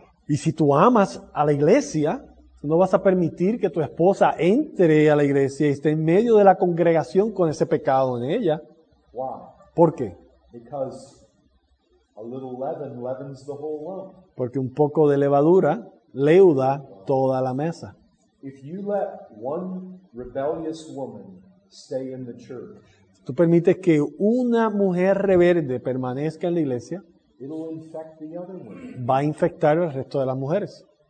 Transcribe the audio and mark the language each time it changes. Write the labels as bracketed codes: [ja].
[es] Y si tú amas a la iglesia, no vas a permitir que tu esposa entre a la iglesia y esté en medio de la congregación con ese pecado en ella. [en] Why? [es] ¿Por qué? [en] Because a little leaven leavens the whole lump. [es] Porque un poco de levadura leuda toda la mesa. [en] If you let one rebellious woman stay in the church, [es] tú permites que una mujer rebelde permanezca en la iglesia, [en] it'll infect the other women. [es] Va a infectar al resto de las mujeres.